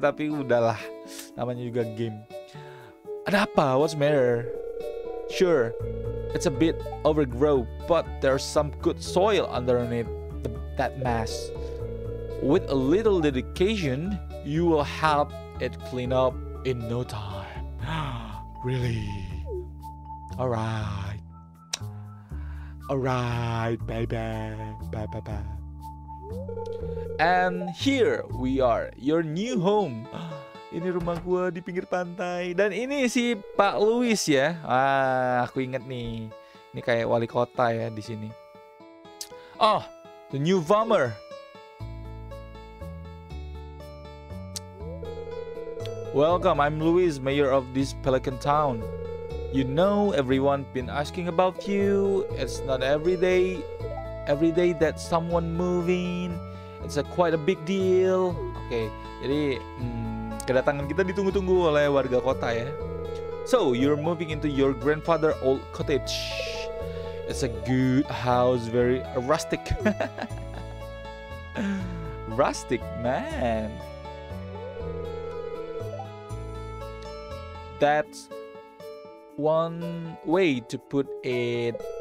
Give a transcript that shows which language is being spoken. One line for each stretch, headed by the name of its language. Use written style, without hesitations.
Indonesian: Tapi udahlah, namanya juga game. Ada apa?
English: What's matter? Sure, it's a bit overgrown, but there's some good soil underneath that mass. With a little dedication, you will help it clean up in no time. Really? Alright. Alright, baby. Bye, bye, bye. And here we are, your new home.
Indonesian: Ini rumah gue di pinggir pantai. Dan ini si Pak Louis ya. Ah, aku inget nih. Ini kayak wali kota ya di sini.
English: Oh, the new farmer. Welcome, I'm Louis, mayor of this Pelican town. You know, everyone been asking about you. It's not every day that someone moving. It's a quite a big deal.
Indonesian: Okay, jadi kedatangan kita ditunggu-tunggu oleh warga kota ya.
English: So, you're moving into your grandfather's old cottage. It's a good house, very rustic. Rustic, man. That's one way to put it.